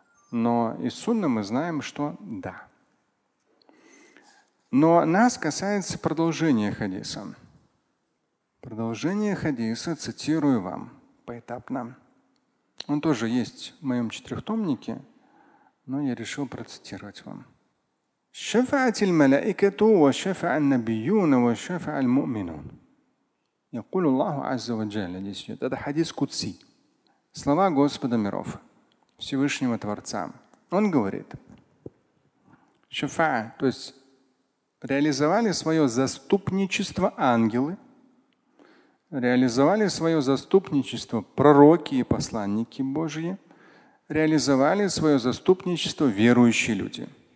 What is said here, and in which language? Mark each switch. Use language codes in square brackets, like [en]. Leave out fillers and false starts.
[ru] Но из сунны мы знаем, что «да». Но нас касается продолжение хадиса. Продолжение хадиса цитирую вам поэтапно. Он тоже есть в моем четырехтомнике, но я решил процитировать вам. [ar] شفعت الملائكة وشفع النبيون وشفع المؤمنون. يقول الله عز وجل. [ru] Это хадис Кудси. Слова Господа миров, Всевышнего Творца. Он говорит: шафа, то есть реализовали свое заступничество ангелы, реализовали свое заступничество пророки и посланники Божьи, реализовали свое заступничество верующие люди.